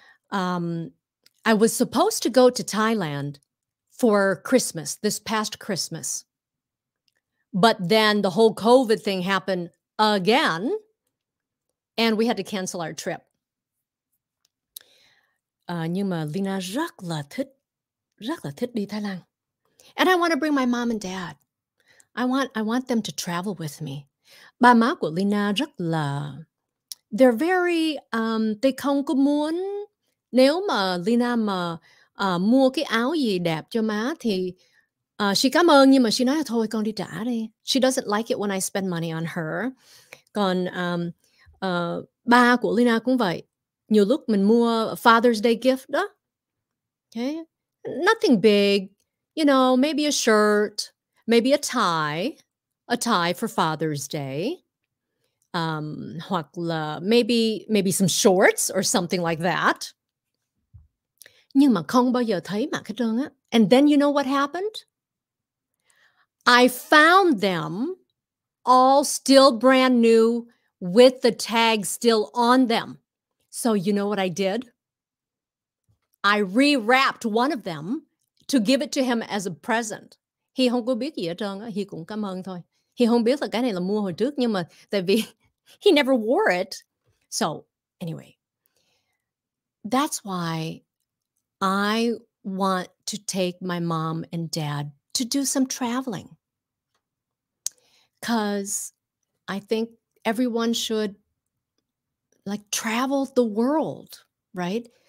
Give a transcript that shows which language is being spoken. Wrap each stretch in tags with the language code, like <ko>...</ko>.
<en>I was supposed to go to Thailand for Christmas, this past Christmas. But then the whole COVID thing happened again, and we had to cancel our trip.</en> <vi>Nhưng mà Leyna rất là thích đi Thái Lan.</vi> <en>And I want to bring my mom and dad. I want them to travel with me.</en> <vi>Ba má của Leyna rất là...</vi> <en>They're very... they</en> <vi>không có muốn... Nếu mà Leyna mà mua cái áo gì đẹp cho má thì...</vi> <en>she</en> <vi>cảm ơn, nhưng mà she nói là thôi con đi trả đi.</vi> <en>She doesn't like it when I spend money on her.</en> <vi>Còn ba của Leyna cũng vậy. Nhiều lúc mình mua</vi> <en>Father's Day gift</en> <vi>đó.</vi> <en>Okay. Nothing big. You know, maybe a shirt. Maybe a tie. A tie for Father's Day.</en> <vi>Hoặc là</vi> <en>maybe some shorts or something like that.</en> <vi>Nhưng mà không bao giờ thấy mặc hết trơn á.</vi> <en>And then you know what happened? I found them all still brand new with the tag still on them. So you know what I did? I rewrapped one of them to give it to him as a present. He</en> <vi>không có biết gì hết trơn á. He cũng cảm ơn thôi. He không biết là cái này là mua hồi trước, nhưng mà tại vì</vi> <en>he never wore it. So anyway, that's why I want to take my mom and dad to do some traveling. Because I think everyone should like travel the world, right?</en>